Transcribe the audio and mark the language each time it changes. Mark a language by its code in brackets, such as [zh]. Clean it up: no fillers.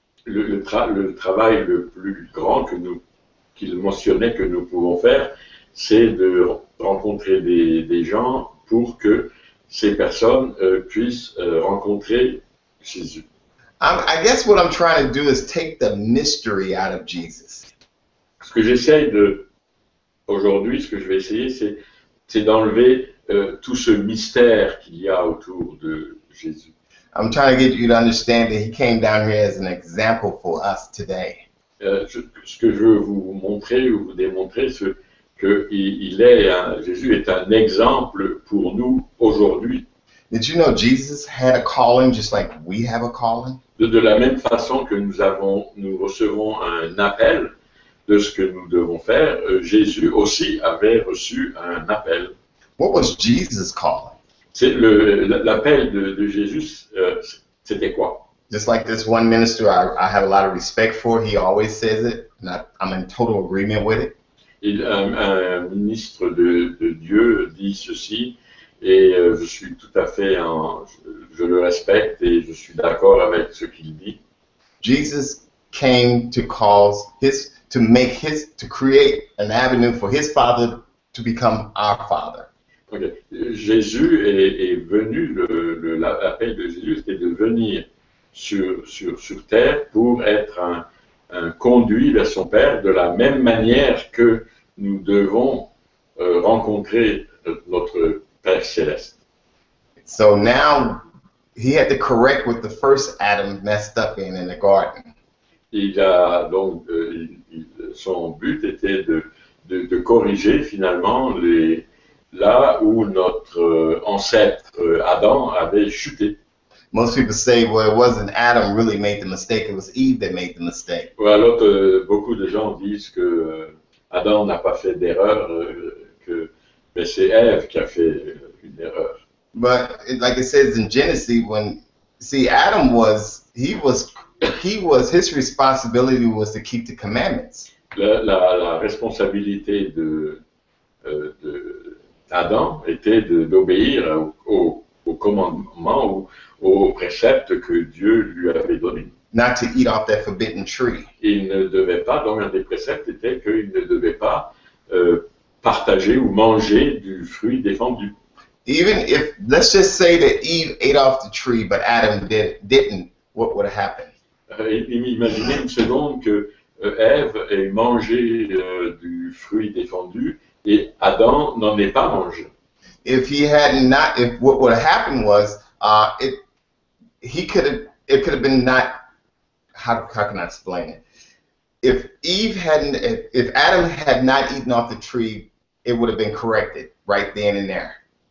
[fr] Le travail le plus grand qu'il mentionnait que nous pouvons faire, c'est de rencontrer des gens pour que ces personnes puissent rencontrer Jésus. [en] I guess what I'm trying to do is take the mystery out of Jesus. [fr] Ce que j'essaie aujourd'hui, ce que je vais essayer, c'est d'enlever tout ce mystère qu'il y a autour de Jésus. [en] I'm trying to get you to understand that he came down here as an example for us today. [fr] Ce que je veux vous montrer ou vous démontrer, c'est que Jésus est un exemple pour nous aujourd'hui. [en] Did you know Jesus had a calling just like we have a calling? [fr] De la même façon que nous recevons un appel de ce que nous devons faire, Jésus aussi avait reçu un appel. [en] What was Jesus calling? [fr] C'est l'appel de Jésus, c'était quoi? [en] Just like this one minister I have a lot of respect for, he always says it, and I'm in total agreement with it. [fr] Un ministre de Dieu dit ceci et je suis tout à fait je le respecte et je suis d'accord avec ce qu'il dit. [en] Jesus came to cause his to make his to create an avenue for his father to become our father. Okay. [fr] Jésus est venu l'appel de Jésus était de venir sur terre pour être un conduit vers son Père de la même manière que nous devons rencontrer notre Père céleste. [en] So now he had to correct what the first Adam messed up in the garden. [fr] Il a donc son but était de corriger finalement les là où notre ancêtre Adam avait chuté. [en] Most people say, well, it wasn't Adam really made the mistake, it was Eve that made the mistake. [fr] Ou alors, beaucoup de gens disent que Adam n'a pas fait d'erreur, que mais c'est Eve qui a fait une erreur. [en] But like it says in Genesis, when see Adam was, he was his responsibility was to keep the commandments. [fr] La responsabilité de Adam était d'obéir aux commandements ou aux préceptes que Dieu lui avait donnés. [en] Not to eat off that forbidden tree. [fr] Il ne devait pas, donc un des préceptes était qu'il ne devait pas partager ou manger du fruit défendu. [en] Even if, let's just say that Eve ate off the tree, but Adam didn't, what would have happened? [fr] Imaginez une seconde que Eve ait mangé du fruit défendu et Adam n'en ait pas mangé. [en] If he had not, if what would have happened was, it could have been not, how can I explain it? If Adam had not eaten off the tree, it would have been corrected right then and there.